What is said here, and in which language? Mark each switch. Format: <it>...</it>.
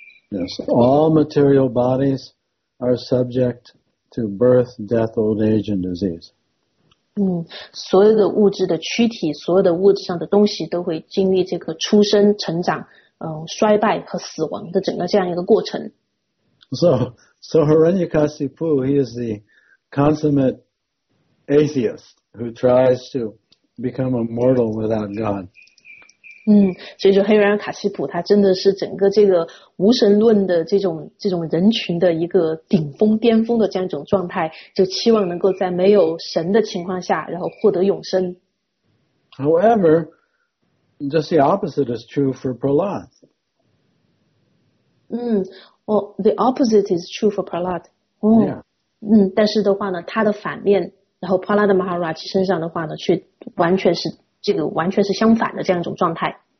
<en>Yes, all material bodies are subject to birth, death, old age and disease.</en> <zh>所有的物质的躯体，所有的物质上的东西都会经历这个出生、成长、衰败和死亡的整个这样一个过程。</zh> <en>So Hiranyakashipu, he is the consummate atheist who tries to become a mortal without God.</en> <zh>所以说黑人卡西普他真的是整个这个无神论的这种人群的一个顶峰巅峰的这样一种状态，就期望能够在没有神的情况下然后获得永生。</zh> <en>However, just the opposite is true for Prahlad. Well, the opposite is true for Prahlad. Yeah.</en> <zh>但是的话呢他的反面，然后 Prahlad Maharaj 身上的话呢却完全是这个完全是相反的这样一种状态。</zh>